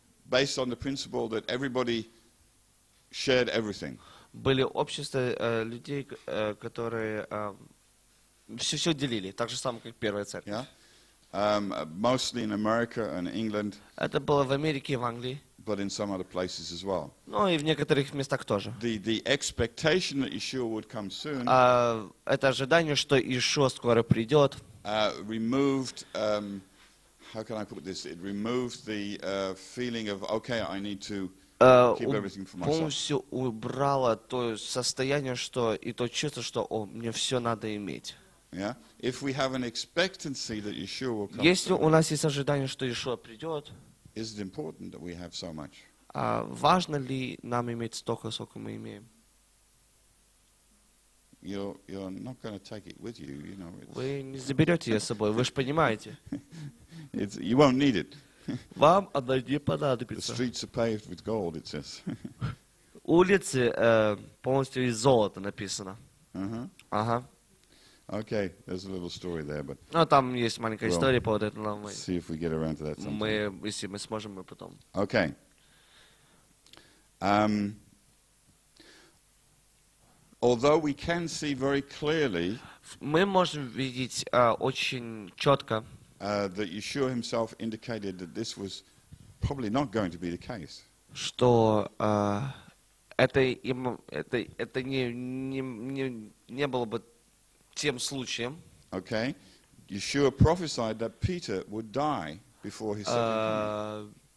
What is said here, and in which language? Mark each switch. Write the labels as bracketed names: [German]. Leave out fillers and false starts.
[English] Based on the principle that everybody shared everything. [Russian] Были общества людей, которые все делили, так же самое, как первая церковь. Yeah. [English] Mostly in America and England. [Russian] Это было в Америке и в Англии. [English] But in some other places as well. [Russian] Ну и в некоторых местах тоже. [English] The expectation that Yeshua would come soon. [Russian] Это ожидание, что Иешуа скоро придет. [English] Removed. How can I put this? It removed the feeling of okay, I need to keep everything for myself. [Russian] Полностью убрало то состояние, что и то чувство, что о, мне все надо иметь. Yeah. [English] If we have an expectancy that Yeshua will come. [Russian] Если у нас есть ожидание, что Иешуа придет. [English] Is it important that we have so much? [Russian] Важно ли нам иметь столько, сколько мы имеем? [English] You're not going to take it with you, you know. [Russian] Вы не заберете ее с собой. Вы же понимаете. [English] You won't need it. [Russian] Вам она не понадобится. [English] The streets are paved with gold, it says. [Russian] Улицы полностью из золота написано. Ага. [English] Okay, there's a little story there, but. [Russian] Ну, там есть маленькая история по этому нам. [English] See if we get around to that sometime. [Russian] Мы, если мы сможем, мы потом. Okay. [English] Although we can see very clearly. [Russian] Мы можем видеть очень четко. [English] That Yeshua himself indicated that this was probably not going to be the case. [Russian] Что это не было бы. Тем случаем. Okay. [English] Yeshua prophesied that Peter would die before his second coming.